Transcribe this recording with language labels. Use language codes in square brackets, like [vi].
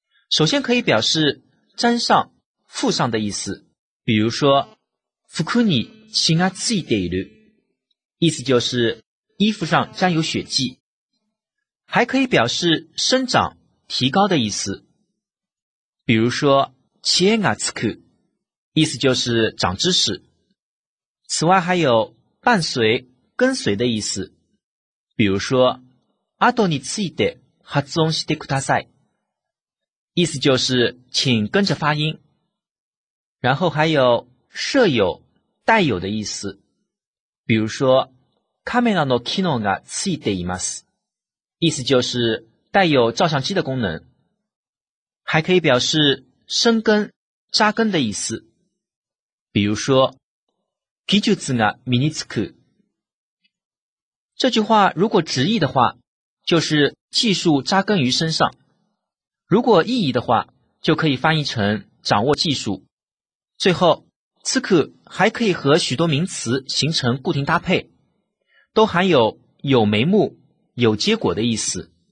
[zh] 首先可以表示沾上、附上的意思，比如说服に血がついている，意思就是衣服上沾有血迹，还可以表示生长、提高的意思。比如说知恵がつく，意思就是长知识。此外还有伴随、跟随的意思。比如说後について発音してください，意思就是请跟着发音。然后还有舍友、带有的意思。比如说カメラの機能がついています，意思就是带有照相机的功能，还可以表示生根、扎根的意思。 [ja] 比如说，技術が身につく。 [zh] 这句话如果直译的话，就是技术扎根于身上；如果意译的话，就可以翻译成掌握技术。最后，つく还可以和许多名词形成固定搭配，都含有有眉目、有结果的意思。